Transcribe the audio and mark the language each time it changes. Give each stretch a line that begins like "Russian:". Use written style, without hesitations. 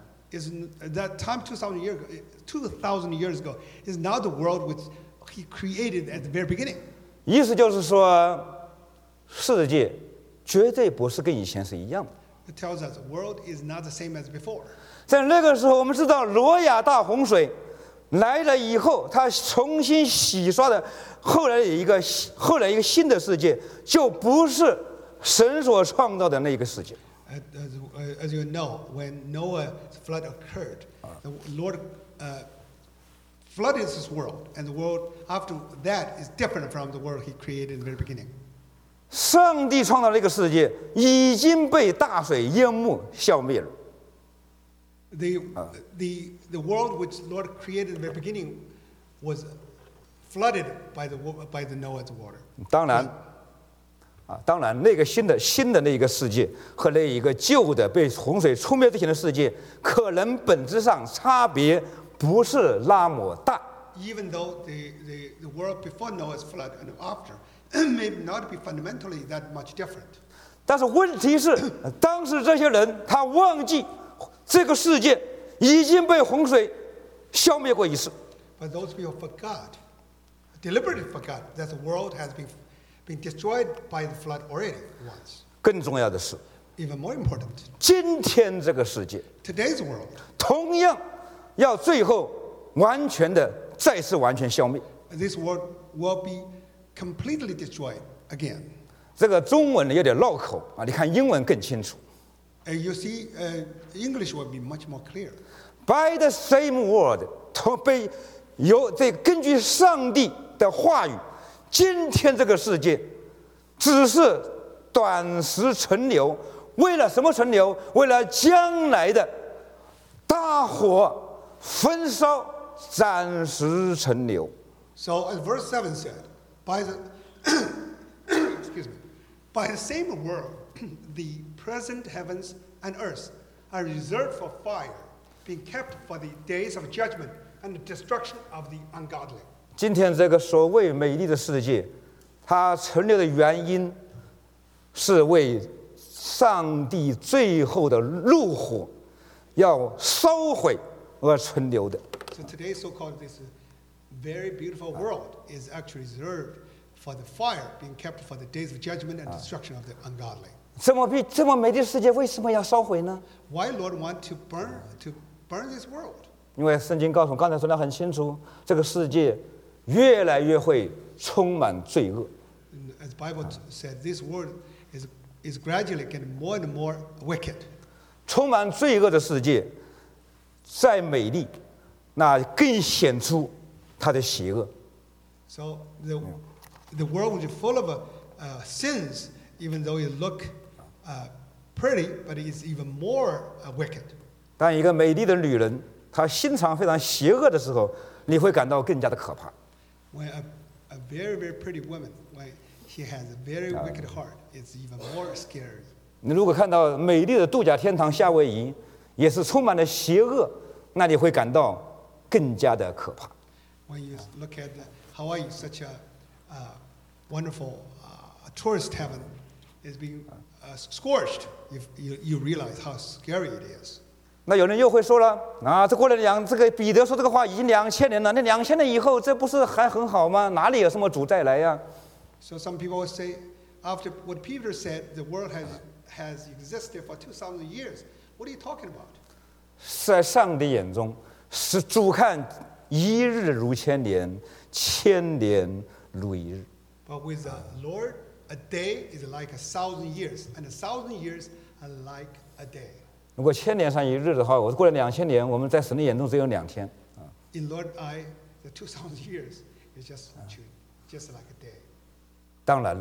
English: That time 2000 years ago is not the world which he created at the very beginning.
Chinese: 意思就是说世界绝对不是跟以前是一样的。
English: It tells us the world is not the same as before.
Chinese: 在那个时候我们知道挪亚大洪水来了以后，他重新洗刷的后来一个新的世界，就不是神所创造的那个世界。
English: As you know, when Noah's flood occurred, the Lord flooded this world, and the world after that is different from the world He created in the very beginning.
Chinese: 上帝创造的那个世界已经被大水淹没消灭了。
English: The world which Lord created in the beginning was flooded by the Noah's water.
Chinese: 当然，啊，当然，那个新的那一个世界和那一个旧的被洪水冲灭之前的世界，可能本质上差别不是那么大。
English: Even though the world before Noah's flood and after may not be fundamentally that much different.
Chinese: 但是问题是，当时这些人他忘记。这个世界已经被洪水消灭过一次。
English: But those people forgot, deliberately forgot that the world has been destroyed by the flood already once.
Chinese: 更重要的是
English: ，even more important，
Chinese: 今天这个世界
English: ，today's world，
Chinese: 同样要最后完全的再次完全消灭。
English: This world will be completely destroyed again.
Chinese: 这个中文有点绕口啊，你看英文更清楚。
English: You see, English will be much more clear. By the same word,
Chinese: 被由这根据上帝的话语，今天这个世界只是短时存留。为了什么存留？为了将来的大火焚烧，暂时存留。
English: So, as verse 7 said, by the same word, the present heavens and earth are reserved for fire, being kept for the days of judgment and the destruction of the ungodly.
Chinese: 今天这个所谓美丽的世界，它存留的原因是为上帝最后的怒火要烧毁而存留的。
English: So today, so-called this very beautiful world is actually reserved for the fire being kept for the days of judgment and destruction of the ungodly.
Chinese: 这么美的世界为什么要烧毁呢?
English: Why Lord want to burn this world?
Chinese: 因为圣经告诉我, 刚才说得很清楚, 这个世界越来越会充满罪恶。
English: As Bible said, this world is gradually getting more and more wicked.
Chinese: 充满罪恶的世界, 再美丽, 那更显出它的邪恶。
English: So the world is full of sins, even though it looks pretty, but it's even more wicked.
Chinese: 当一个美丽的女人, 她心肠非常邪恶的时候, 你会感到更加的可怕。
English: When a very, very pretty woman, she has a very wicked heart, it's even more scary.
Chinese: 你如果看到美丽的度假天堂夏威夷, 也是充满了邪恶, 那你会感到更加的可怕。
English: When you look at Hawaii, such a wonderful tourist heaven is being scorched, you realize how scary it is.
Chinese: 那有人又会说了，啊，这过了两，这个彼得说这个话已经2000年了，那2000年以后，这不是还很好吗？哪里有什么主再来呀？
English: So some people will say, after what Peter said, the world has existed for 2,000 years. What are you talking about?
Chinese: 在上帝眼中，是主看一日如千年，千年如一日。
English: But with the Lord, a day is like 1,000 years, and 1,000 years are like a day.
Chinese: 如果千年算一日的话，我过了2000年，我们在神的眼中只有2天。
English: In Lord's eye, the 2,000 years is just like a day.